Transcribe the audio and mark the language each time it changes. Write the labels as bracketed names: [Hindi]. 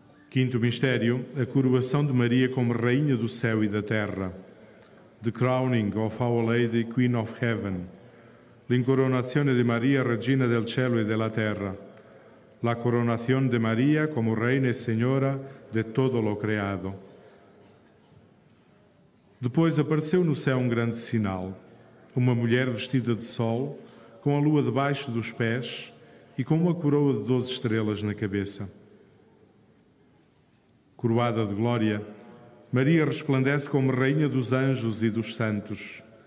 [Portuguese] Quinto mistério, a coroação de Maria como Rainha do Céu e da Terra. [English] The crowning of Our Lady, Queen of Heaven. [Italian] L'incoronazione di Maria, Regina del Cielo e della Terra. [Spanish] La coronación de Maria como Reina [Portuguese] e Senhora [Spanish] de todo lo creado. [Portuguese] Depois apareceu no céu um grande sinal. Uma mulher vestida de sol, com a lua debaixo dos pés e com uma coroa de 12 estrelas na cabeça. Coroada de glória, Maria resplandece como Rainha dos Anjos e dos Santos.